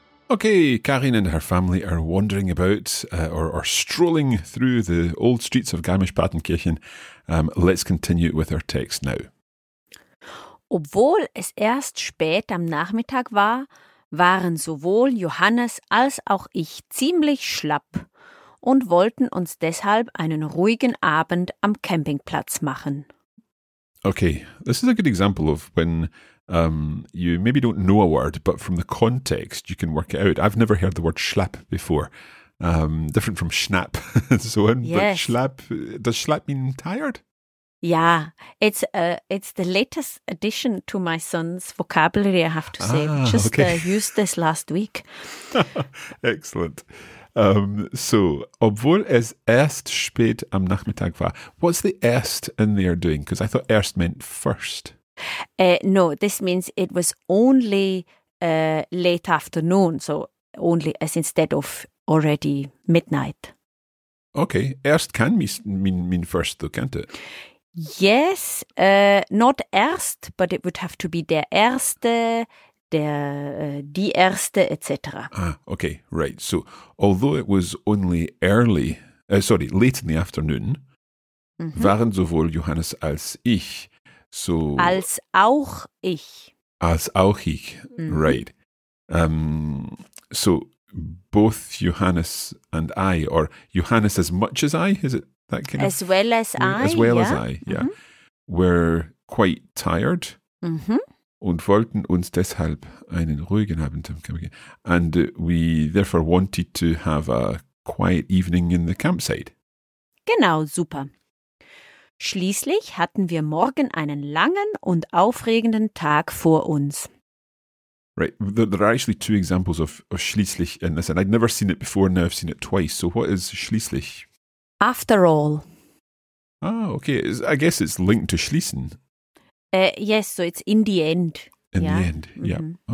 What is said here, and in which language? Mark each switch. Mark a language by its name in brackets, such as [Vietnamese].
[English] Okay, Karin and her family are wandering about or strolling through the old streets of Garmisch-Partenkirchen. Let's continue with our text now. [German] Obwohl es erst spät am Nachmittag war, waren sowohl Johannes als auch ich ziemlich schlapp und wollten uns deshalb einen ruhigen Abend am Campingplatz machen. [English] Okay, this is a good example of when you maybe don't know a word, but from the context you can work it out. I've never heard the word schlapp before. Different from schnapp and so on. Yes. But schlapp, does schlapp mean tired? Yeah, it's the latest addition to my son's vocabulary, I have to say. Used this last week. Excellent. So, [German] obwohl es erst spät am Nachmittag war, [English] what's the erst in there doing? Because I thought erst meant first. No, this means it was only late afternoon, so only as instead of already midnight. Okay, erst can mean first though, can't it? Yes, not erst, but it would have to be der Erste, der die Erste, etc. Ah, okay, right. So, although it was only early, late in the afternoon, mm-hmm. [German] waren sowohl Johannes als ich. [English] So [German] als auch ich. Als auch ich, mm-hmm. right. [English] So, both Johannes and I, or Johannes as much as I, is it? That kind as of, well as I, as well yeah. as I, yeah. Mm-hmm. We're quite tired. Mm-hmm. [German] Und wollten uns deshalb einen ruhigen Abend am Campingplatz. [English] And we therefore wanted to have a quiet evening in the campsite. [German] Genau, super. Schließlich hatten wir morgen einen langen und aufregenden Tag vor uns. [English] Right, there are actually two examples of schließlich in this. And I'd never seen it before, now I've seen it twice. So what is schließlich? After all. Ah, okay. I guess it's linked to schließen. Yes, so it's in the end. In yeah. the end, yeah. Mm-hmm.